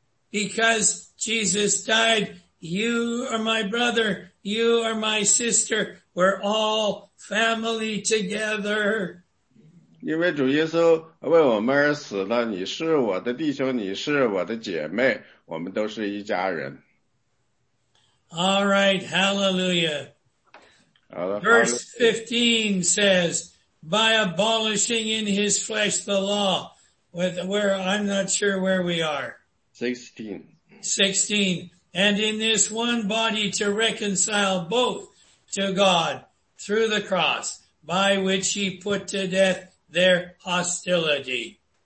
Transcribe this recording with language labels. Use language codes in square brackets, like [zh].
[en] Because Jesus died, you are my brother, you are my sister, we're all family together. [zh] 因为主耶稣为我们而死了, 你是我的弟兄, 你是我的姐妹, 我们都是一家人。 [en] All right, hallelujah. [zh] 好的, [en] Verse 15 says, by abolishing in his flesh the law, where I'm not sure where we are. 16. And in this one body to reconcile both to God through the cross, by which he put to death their hostility.